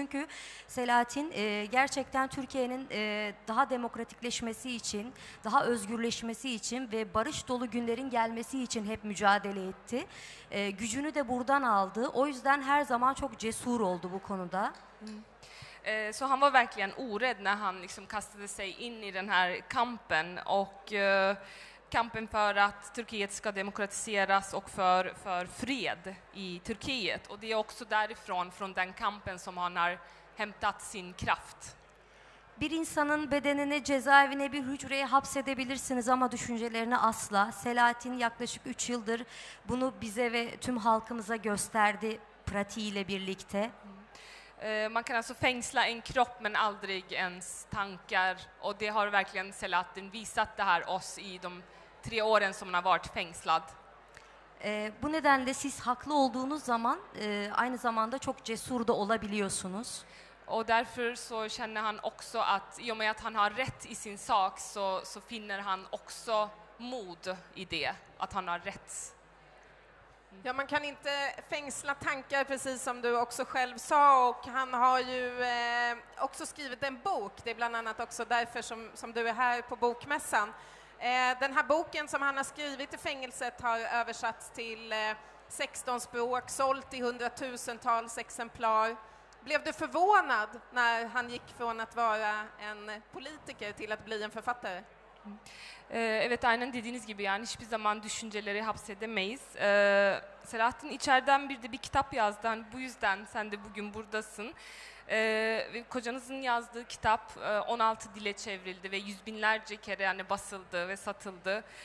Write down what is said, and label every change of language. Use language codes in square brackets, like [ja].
[tr] Çünkü Selahattin gerçekten Türkiye'nin daha demokratikleşmesi için, daha özgürleşmesi için ve barış dolu günlerin gelmesi için hep mücadele etti. Gücünü de buradan aldı. O yüzden her zaman çok cesur oldu bu konuda. [sv] Så han var verkligen orädd när han liksom kastade sig in i den här kampen, och kampen för att Turkiet ska demokratiseras och för fred i Turkiet. Och det är också därifrån, från den kampen, som han har hämtat sin kraft. [tr] Bir insanın bedenini cezaevine bir hücreye hapsedebilirsiniz ama düşüncelerini asla. Selahattin yaklaşık 3 yıldır bunu bize ve tüm halkımıza gösterdi pratiğiyle birlikte. [sv] Man kan alltså fängsla en kropp men aldrig ens tankar, och det har verkligen Selahattin visat det här oss i de 3 åren som han har varit fängslad. [tr] Bu nedenle siz haklı olduğunuz zaman aynı zamanda çok cesur da olabiliyorsunuz. [sv] Och därför så känner han också att i och med att han har rätt i sin sak så finner han också mod i det, att han har rätt. Ja, man kan inte fängsla tankar, precis som du också själv sa, och han har ju också skrivit en bok. Det är bland annat också därför som du är här på bokmässan. Den här boken som han har skrivit i fängelset har översatts till 16 språk, sålt i 100,000-tals exemplar. Blev du förvånad när han gick från att vara en politiker till att bli en författare? [tr] Evet, aynen dediğiniz gibi, yani hiçbir zaman düşünceleri hapsedemeyiz. Selahattin içeriden bir kitap yazdı. Hani bu yüzden sen de bugün buradasın. Kocanızın yazdığı kitap 16 dile çevrildi ve yüz binlerce kere yani basıldı ve satıldı.